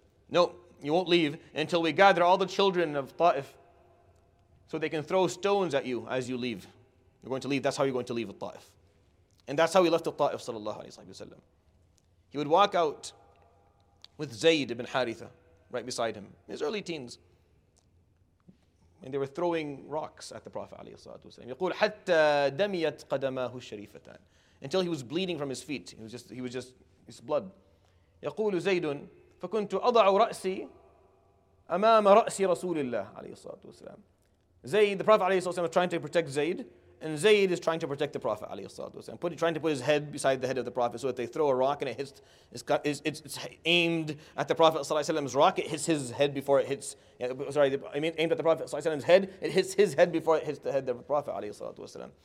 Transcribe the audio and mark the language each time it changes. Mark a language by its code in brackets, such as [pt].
[en] No, you won't leave until we gather all the children of Ta'if so they can throw stones at you as you leave. You're going to leave, that's how you're going to leave Ta'if. And that's how he left Ta'if, sallallahu alayhi wa sallam. He would walk out with Zayd ibn Haritha right beside him in his early teens. And they were throwing rocks at the Prophet عليه الصلاة والسلام. [ar] يقول حتى دميت قدماه الشريفتان. [en] Until he was bleeding from his feet. He was just his blood. [ar] يقول زيد فكنت أضع رأسي أمام رأس رسول الله عليه الصلاة والسلام. [en] Zayd, the Prophet عليه الصلاة والسلام, is trying to protect Zayd. And Zayd is trying to protect the Prophet alayhi salatu wasalam, trying to put his head beside the head of the Prophet, so that they throw a rock and it hits, it's aimed at the Prophet sallallahu alaihi wasallam's rock, it hits his head before it hits, aimed at the Prophet sallallahu alaihi wasallam's head, it hits his head before it hits the head of the Prophet alayhi salatu wasalam.